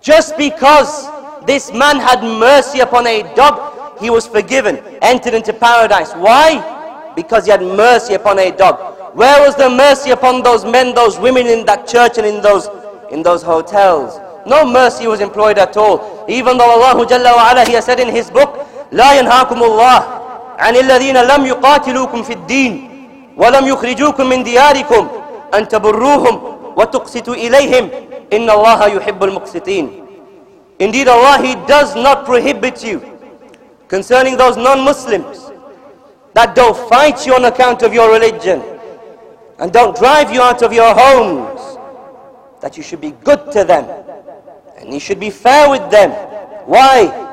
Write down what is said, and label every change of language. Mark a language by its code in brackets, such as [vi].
[en] Just because this man had mercy upon a dog, he was forgiven, entered into paradise. Why? Because he had mercy upon a dog. Where was the mercy upon those men, those women in that church and in those hotels? No mercy was employed at all. Even though Allah Jalla wa Ala, he has said in his book, [ar] لا ينهاكم الله عن الذين لم يقاتلوكم في الدين ولم يخرجوكم من دياركم أن تبروهم وتقسطوا إليهم إن الله يحب المقسطين. [en] Indeed, Allah, he does not prohibit you concerning those non-Muslims that don't fight you on account of your religion and don't drive you out of your homes, that you should be good to them and you should be fair with them. Why?